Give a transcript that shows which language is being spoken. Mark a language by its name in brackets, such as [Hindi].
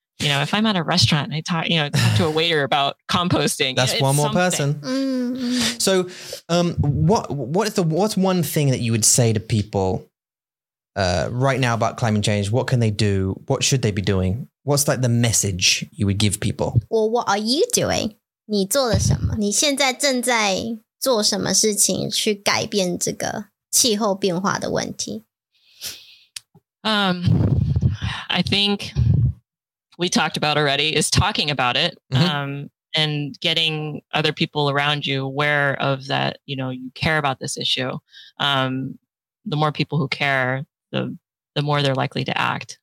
[English] You know, if I'm at a restaurant and I talk to a waiter about composting. That's one more person. So what's one thing that you would say to people right now about climate change? What can they do? What should they be doing? What's like the message you would give people? Well, what are you doing? [Chinese] 你做了什么？你现在正在做什么事情去改变这个气候变化的问题？ [English] I think we talked about already is talking about it, and getting other people around you aware of that, you know, you care about this issue. The more people who care, the more they're likely to act.